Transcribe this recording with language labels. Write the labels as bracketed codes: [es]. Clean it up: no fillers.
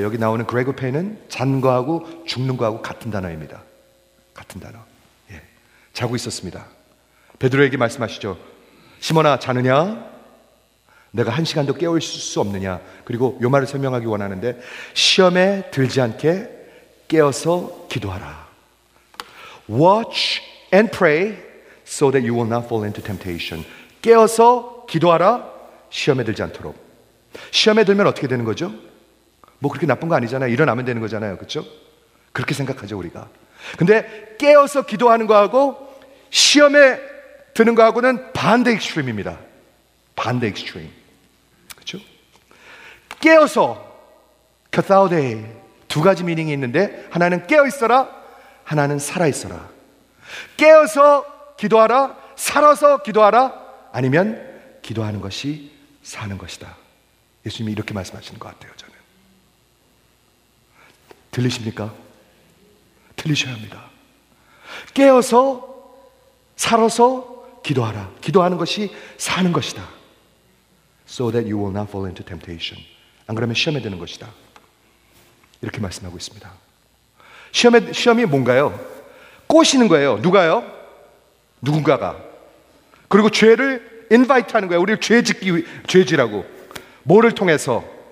[ko] 여기 나오는 그레고 페인은 잔 거하고 죽는 거하고 같은 단어입니다. 같은 단어. 예. 자고 있었습니다. 베드로에게 말씀하시죠. 시몬아, 자느냐? 내가 한 시간도 깨울 수 없느냐? 그리고 요 말을 설명하기 원하는데 시험에 들지 않게 깨어서 기도하라. [en] Watch and pray so that you will not fall into temptation. [ko] 깨어서 기도하라. 시험에 들지 않도록. 시험에 들면 어떻게 되는 거죠? 뭐 그렇게 나쁜 거 아니잖아요. 일어나면 되는 거잖아요. 그렇죠? 그렇게 생각하죠, 우리가. 근데 깨어서 기도하는 거하고 시험에 드는 거하고는 반대 익스트림입니다. 반대 익스트림. 그렇죠? 깨어서 catharsis. 두 가지 미닝이 있는데 하나는 깨어 있어라, 하나는 살아 있어라. 깨어서 기도하라, 살아서 기도하라, 아니면 기도하는 것이 사는 것이다. 예수님이 이렇게 말씀하시는 것 같아요, 저는. 들리십니까? 들리셔야 합니다. 깨어서 살아서 기도하라. 기도하는 것이 사는 것이다. [en] So that you will not fall into temptation. [ko] 안 그러면 시험에 드는 것이다. 이렇게 말씀하고 있습니다. 시험이 뭔가요? 꼬시는 거예요. 누가요? 누군가가. 그리고 죄를 invite 하는 거예요. 우리를 죄지라고. 뭐를 통해서?